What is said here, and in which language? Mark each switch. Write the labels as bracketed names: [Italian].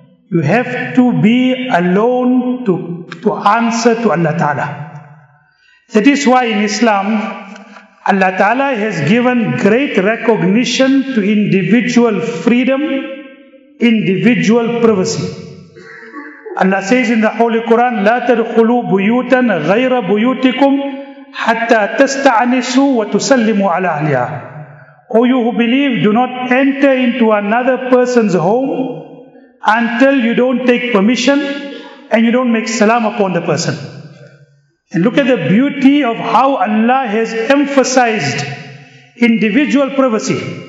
[English] You have to be alone to answer to Allah Ta'ala. That is why in Islam, Allah Ta'ala has given great recognition to individual freedom, individual privacy. Allah says in the Holy Quran, [Arabic] لا تدخلوا بيوتا غير بيوتكم حتى تستعنسوا وتسلموا على أهلها. [English] O you who believe, do not enter into another person's home until you don't take permission and you don't make salam upon the person. And look at the beauty of how Allah has emphasized individual privacy.